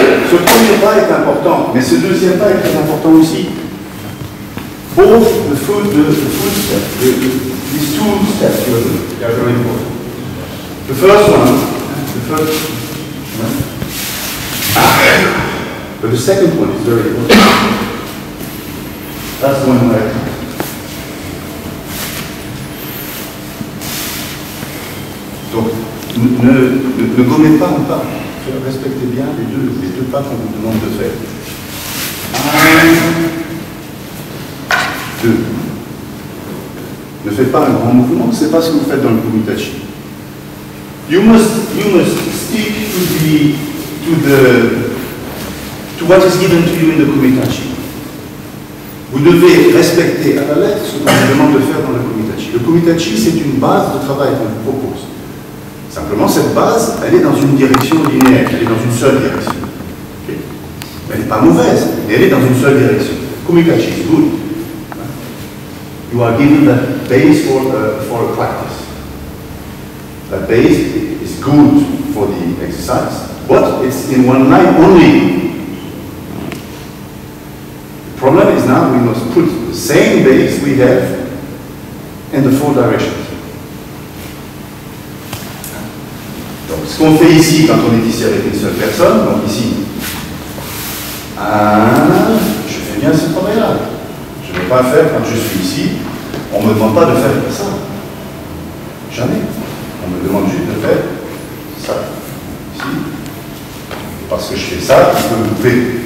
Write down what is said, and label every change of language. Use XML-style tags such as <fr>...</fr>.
<fr>Ce premier pas est important, mais ce deuxième pas est très important aussi.</fr> <en>Both the food, the food steps, these two steps are very important. The first one, the first one. But the second one is very important. That's the one where</en> <fr>Ne gommez pas un pas. Respectez bien les deux pas qu'on vous demande de faire. Un, deux. Ne faites pas un grand mouvement. C'est pas ce que vous faites dans le kumitachi.</fr> <en>You must stick to what is given to you in the kumitachi.</en> <fr>Vous devez respecter à la lettre ce qu'on vous demande de faire dans le kumitachi. Le kumitachi, c'est une base de travail qu'on vous propose. Simplement, cette base, elle est dans une direction linéaire, elle est dans une seule direction. Okay. Elle n'est pas mauvaise, mais elle est dans une seule direction.</fr> <en>Kumikachi is good. You are given that base for a practice. That base is good for the exercise, but it's in one line only. The problem is now we must put the same base we have in the four directions.</en> <fr>Ce qu'on fait ici quand on est ici avec une seule personne, donc ici, je fais bien ce travail-là. Je ne vais pas faire quand je suis ici, on ne me demande pas de faire ça. Jamais. On me demande juste de faire ça. Ici. Parce que je fais ça, je peux louper.</fr>